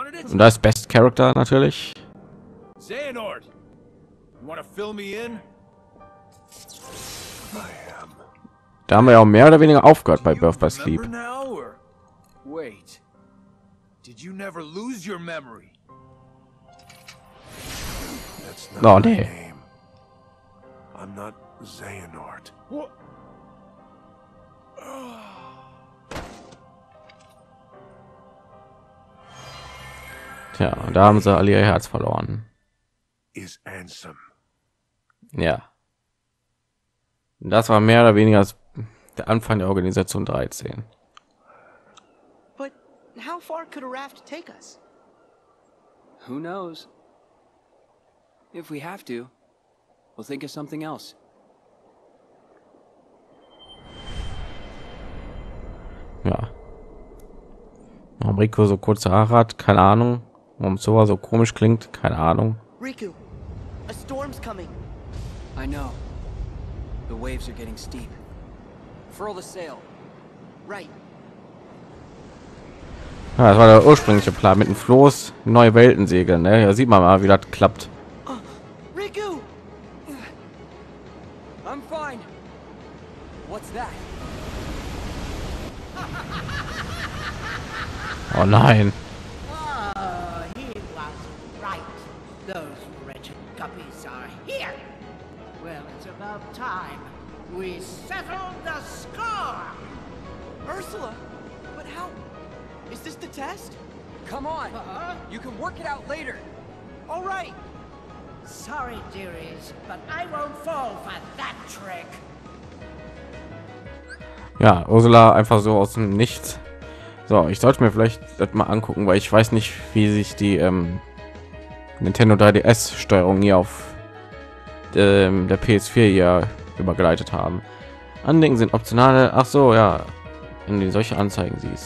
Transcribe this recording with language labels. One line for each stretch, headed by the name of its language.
German: Und da ist Best Character natürlich.
English: Xehanort, you wanna fill me in?
German: Da haben wir ja auch mehr oder weniger aufgehört bei Birth by Sleep.
English: Wait, did you never lose your memory? That's not my name. I'm not Xehanort.
German: Ja, und da haben sie alle ihr Herz verloren. Ja. Das war mehr oder weniger der Anfang der Organisation 13.
English: But how far could a raft take us? Who knows? If we have to, we'll think of something else.
German: Ja. Warum Rico so kurze Haare hat, keine Ahnung. Warum es sowas so komisch klingt, keine Ahnung.
English: Riku, a storm's coming. I know. The waves are getting steep. unferl the sail. Right.
German: Ja, das war der ursprüngliche Plan mit dem Floß, neue Welten segeln. Ne? Ja, sieht man mal, wie das klappt.
English: Oh, Riku. I'm fine. What's that?
German: Oh nein.
English: Oh, he was right. Those wretched guppies are here. Well, it's about time we settled the score. Ursula, but how? Is this the test? Come on. You can work it out later. All right. Sorry, dearies, but I won't fall for that trick.
German: Ja, Ursula einfach so aus dem Nichts. So, ich sollte mir vielleicht das mal angucken, weil ich weiß nicht, wie sich die Nintendo 3DS Steuerung hier auf der PS4 hier übergeleitet haben. Andenken sind optionale. Ach so, ja, in die solche Anzeigen siehst.